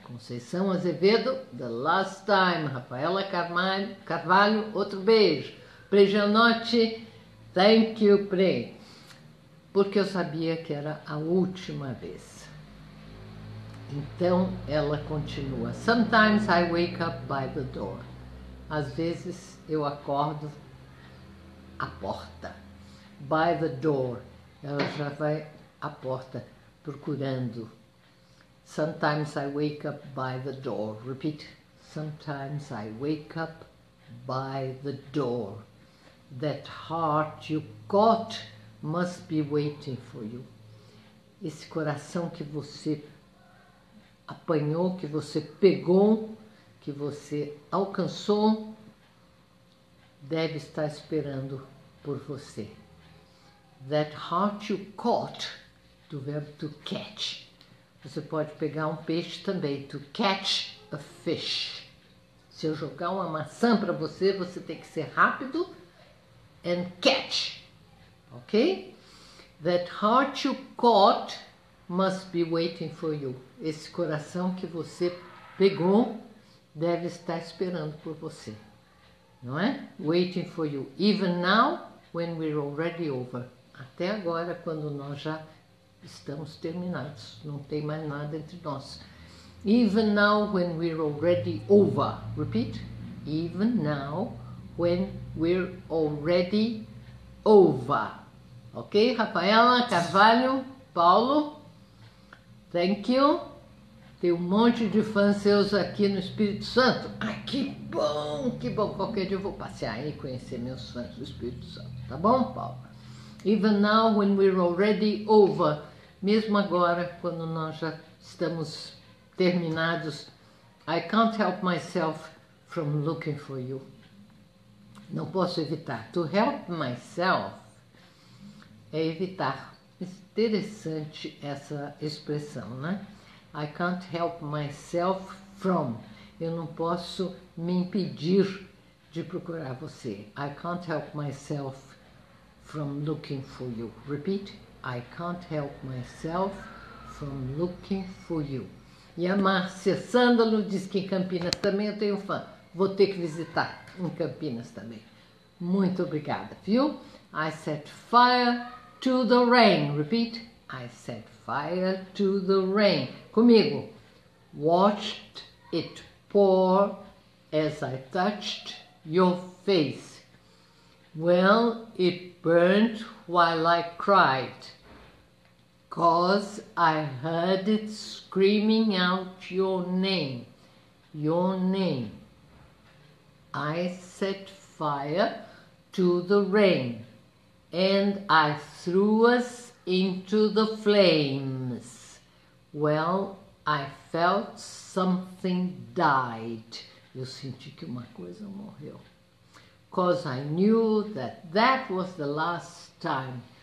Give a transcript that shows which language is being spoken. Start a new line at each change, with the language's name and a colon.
English: Conceição Azevedo, the last time. Rafaela Carvalho,
Portuguese: outro beijo. Prejanote,
English: thank you,
Portuguese: Pre. Porque eu sabia que era a última vez. Então, ela continua.
English: Sometimes I wake up by the door.
Portuguese: Às vezes, eu acordo à porta.
English: By the door.
Portuguese: Ela já vai à porta. Procurando.
English: Sometimes I wake up by the door. Repeat. Sometimes I wake up by the door. That heart you got must be waiting for you.
Portuguese: Esse coração que você apanhou, que você pegou, que você alcançou, deve estar esperando por você.
English: That heart you caught.
Portuguese: Do verbo
English: to catch.
Portuguese: Você pode pegar um peixe também.
English: To catch a fish.
Portuguese: Se eu jogar uma maçã para você, você tem que ser rápido.
English: And catch. Ok? That heart you caught must be waiting for you.
Portuguese: Esse coração que você pegou deve estar esperando por você. Não é?
English: Waiting for you. Even now, when we're already over.
Portuguese: Até agora, quando nós já estamos terminados, não tem mais nada entre nós.
English: Even now when we're already over. Repeat. Even now when we're already over. Ok, Rafaela, Carvalho, Paulo. Thank you.
Portuguese: Tem um monte de fãs seus aqui no Espírito Santo. Ai, que bom, que bom. Qualquer dia eu vou passear aí e conhecer meus fãs do Espírito Santo. Tá bom, Paulo?
English: Even now when we're already over.
Portuguese: Mesmo agora, quando nós já estamos terminados,
English: I can't help myself from looking for you.
Portuguese: Não posso evitar.
English: To help myself
Portuguese: é evitar. Interessante essa expressão, né?
English: I can't help myself from.
Portuguese: Eu não posso me impedir de procurar você.
English: I can't help myself from looking for you. Repeat. I can't help myself from looking for you.
Portuguese: E a Márcia Sândalo diz que em Campinas também eu tenho fã. Vou ter que visitar em Campinas também. Muito obrigada, viu?
English: I set fire to the rain. Repeat. I set fire to the rain. Comigo. Watched it pour as I touched your face. Well, it burnt while I cried. Cause I heard it screaming out your name. Your name. I set fire to the rain and I threw us into the flames. Well, I felt something died.
Portuguese: Eu senti que uma coisa morreu.
English: 'Cause I knew that that was the last time.